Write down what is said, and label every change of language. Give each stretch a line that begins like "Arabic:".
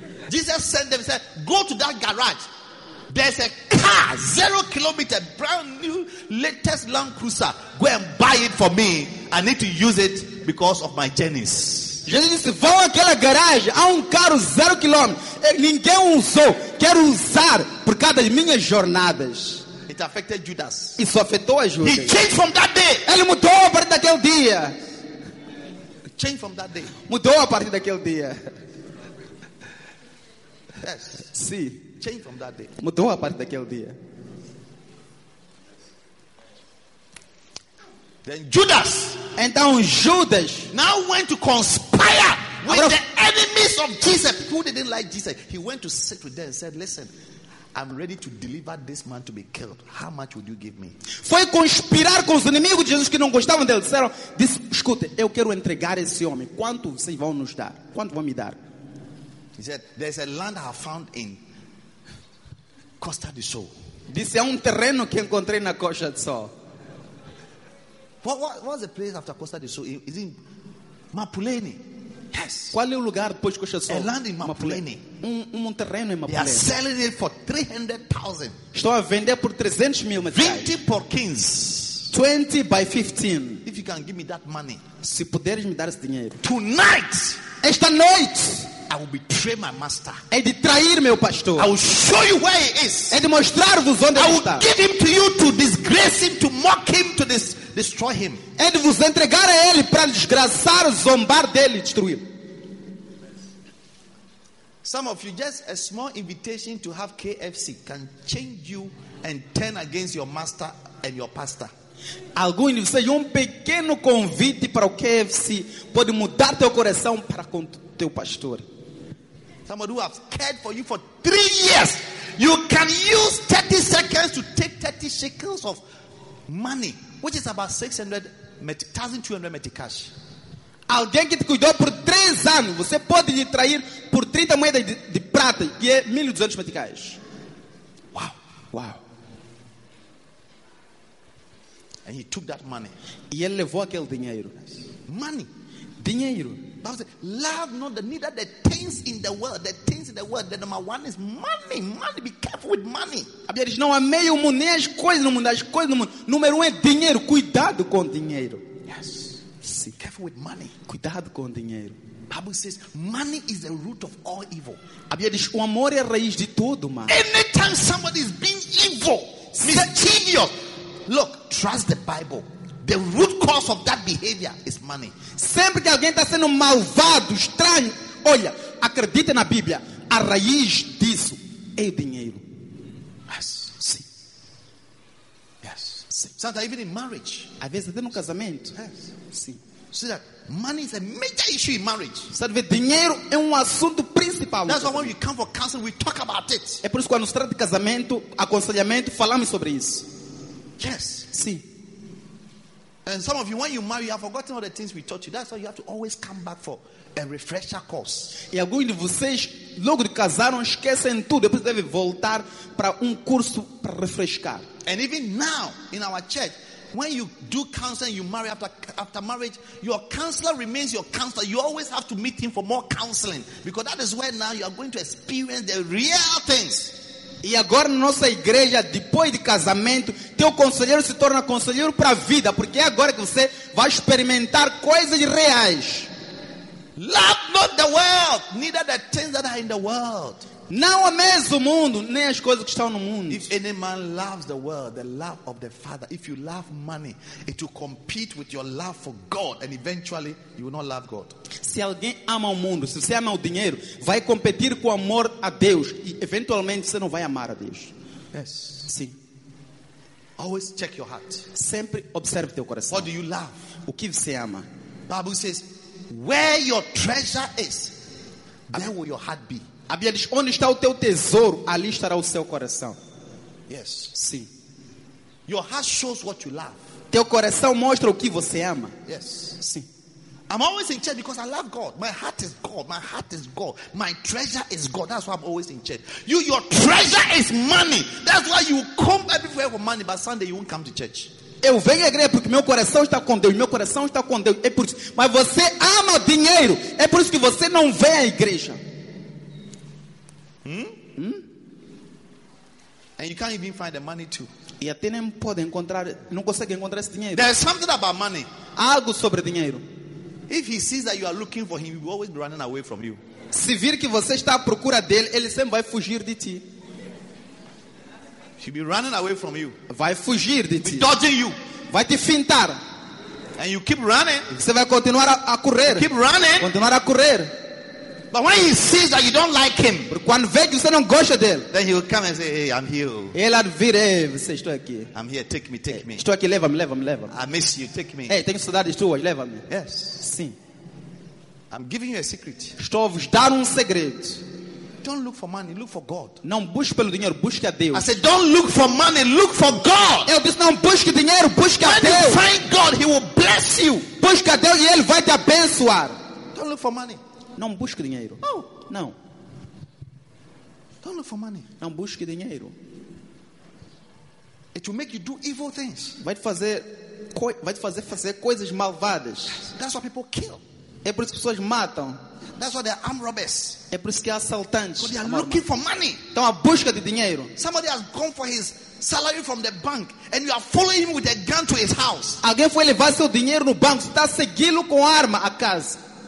English: Jesus sent them, said, go to that garage. There's a car, 0 kilometer, brand new, latest Land Cruiser. Go and buy it for me. I need to use it because of my journeys.
Portuguese: Jesus disse, vão àquela garagem, há carro 0 quilômetro. Ninguém usou, quero usar por causa das minhas jornadas.
English: It affected Judas.
Portuguese: Isso afetou a Judas.
English: He changed from that day.
Portuguese: Ele mudou a partir daquele dia.
English: Changed from that day.
Portuguese: Mudou a partir daquele dia.
English: Yes.
Portuguese: Sim.
English: Changed from that day.
Portuguese: Mudou a partir daquele dia.
English: Then Judas,
Portuguese: então Judas,
English: now went to conspire with the enemies of Jesus. Who didn't like Jesus? He went to sit with them and said, listen, I'm ready to deliver this man to be killed. How much would you give me?
Portuguese: Foi conspirar com os inimigos de Jesus que não gostavam dele. Disseram, escute, eu quero entregar esse homem. Quanto vocês vão nos dar? Quanto vão me dar?
English: He said, there's a land I found in Costa do Sol.
Portuguese: Disse, é terreno que encontrei na Costa do Sol.
English: What was the place after Costa do Sol? Is it Mapulene? Yes.
Portuguese: Qual é o lugar depois de Costa do Sol?
English: A land in Mapulene.
Portuguese: Um terreno em Mapulene.
English: They are selling it for 300,000.
Portuguese: Estão a vender por 300 mil. 20 por 15.
English: 20 by 15. If you can give me that money.
Portuguese: Se puderes me dar esse dinheiro.
English: Tonight.
Portuguese: Esta noite.
English: I will betray my master.
Portuguese: É de trair meu pastor.
English: I will show you where he is.
Portuguese: É de mostrar-vos onde ele está.
English: I will give him to you to disgrace him, to mock him, to this. Destroy him.
Portuguese: É de vos entregar a ele para desgraçar, zombar dele, destruir.
English: Some of you, just a small invitation to have KFC can change you and turn against your master and your pastor.
Portuguese: Alguns de vocês, pequeno convite para o KFC pode mudar teu coração para com teu pastor.
English: Somebody who has cared for you for 3 years, you can use 30 seconds to take 30 shekels of money, which is about 1,200 metric cash.
Portuguese: Alguém que te cuidou por 3 anos, você pode lhe trair por 30 moedas de prata, que é 1,200 metric cash.
English: Wow. Wow. And he took that money.
Portuguese: E ele levou aquele dinheiro.
English: Money.
Portuguese: Dinheiro.
English: But love not the neither the things in the world. The things in the world. The number one is money. Money. Be careful with money.
Portuguese: A Bíblia diz, não amei o mundo, nem as coisas no mundo. As coisas no mundo. Número um é dinheiro. Cuidado com dinheiro.
English: Yes.
Portuguese: Sim.
English: Careful with money.
Portuguese: Cuidado com dinheiro.
English: Bible says, money is the root of all evil.
Portuguese: A Bíblia diz, o amor é a raiz de todo mal.
English: Anytime somebody is being evil, mischievous, look, trust the Bible. The root cause of that behavior is money.
Portuguese: Sempre que alguém está sendo malvado, estranho, olha, acredita na Bíblia. A raiz disso é o dinheiro.
English: Yes.
Portuguese: Sim.
English: Yes.
Portuguese: Sim.
English: Sometimes even in marriage.
Portuguese: Às vezes até no casamento.
English: Yes.
Portuguese: Sim.
English: See that money is a major issue in marriage.
Portuguese: Sabe, dinheiro é assunto principal.
English: That's why when we come for counseling, we talk about it.
Portuguese: É por isso que quando se trata de casamento, aconselhamento, falamos sobre isso.
English: Yes.
Portuguese: Sim.
English: And some of you, when you marry, you have forgotten all the things we taught you. That's why you have to always come back for a refresher course.
Portuguese: E alguns de vocês, logo de casaram, esquecem tudo. Depois devem voltar para curso para refrescar.
English: And even now, in our church, when you do counseling, you marry after marriage, your counselor remains your counselor. You always have to meet him for more counseling. Because that is where now you are going to experience the real things.
Portuguese: E agora na nossa igreja, depois de casamento, teu conselheiro se torna conselheiro para a vida, porque é agora que você vai experimentar coisas reais.
English: Love not the world, neither the things that are in the world.
Portuguese: Não ames o mundo, nem as coisas que estão no mundo.
English: If any man loves the world, the love of the Father, if you love money, it will compete with your love for God, and eventually you will not love God.
Portuguese: Se alguém ama o mundo, se você ama o dinheiro, vai competir com o amor a Deus, e eventualmente você não vai amar a Deus.
English: Yes.
Portuguese: Sim.
English: Always check your heart.
Portuguese: Sempre observe teu coração.
English: What do you love?
Portuguese: O que você ama?
English: Bible says, where your treasure is, there will your heart be.
Portuguese: A Bíblia diz, onde está o teu tesouro, ali estará o seu coração.
English: Yes.
Portuguese: Sim.
English: Your heart shows what you love.
Portuguese: Teu coração mostra o que você ama.
English: Yes.
Portuguese: Sim.
English: I'm always in church because I love God. My heart is God. My heart is God. My treasure is God. That's why I'm always in church. You, your treasure is money. That's why you come everywhere for money, but Sunday you won't come to church.
Portuguese: Eu venho à igreja porque meu coração está com Deus. Meu coração está com Deus. É por isso. Mas você ama dinheiro. É por isso que você não vem à igreja.
English: And you can't even find the money too.
Portuguese: E até nem pode encontrar, não consegue encontrar esse dinheiro.
English: There's something about money.
Portuguese: Há algo sobre dinheiro.
English: If he sees that you are looking for him, he will always be running away from you.
Portuguese: Se vir que você está à procura dele, ele sempre vai fugir de ti.
English: He'll be running away from you.
Portuguese: Vai fugir de ti.
English: Be dodging you.
Portuguese: Vai te fintar.
English: And you keep running.
Portuguese: Você vai continuar a correr.
English: Keep running.
Portuguese: Continuar a correr.
English: But when he sees that you don't like him,
Portuguese: quando vê que você não gosta dele,
English: then he will come and say, "Hey, I'm here."
Portuguese: Ele vir, você estou aqui.
English: I'm here. Take me, take me.
Portuguese: Estou aqui. Leva-me.
English: I miss you. Take me.
Portuguese: Hey, tenho saudades tuas. Leva-me.
English: Yes.
Portuguese: Sim.
English: I'm giving you a secret.
Portuguese: Estou a vos dar segredo.
English: Don't look for money. Look for God.
Portuguese: Não busque pelo dinheiro. Busque a Deus.
English: I said, don't look for money. Look for God.
Portuguese: Eu disse, não busque dinheiro. Busque a Deus.
English: When you find God, He will bless you.
Portuguese: Busque a Deus e Ele vai te abençoar.
English: Don't look for money.
Portuguese: Não busque dinheiro.
English: Oh.
Portuguese: Não.
English: Don't look for money.
Portuguese: Não busque dinheiro.
English: It will make you do evil things.
Portuguese: Vai te fazer fazer coisas malvadas.
English: That's what people kill.
Portuguese: É por isso que pessoas matam.
English: That's why they are armed robbers.
Portuguese: É por isso que há assaltantes.
English: Because they are looking for money.
Portuguese: Estão à busca de dinheiro.
English: Somebody has gone for his salary from the bank, and you are following him with a gun to his house.
Portuguese: Alguém foi levar seu dinheiro no banco, está seguindo com arma a casa.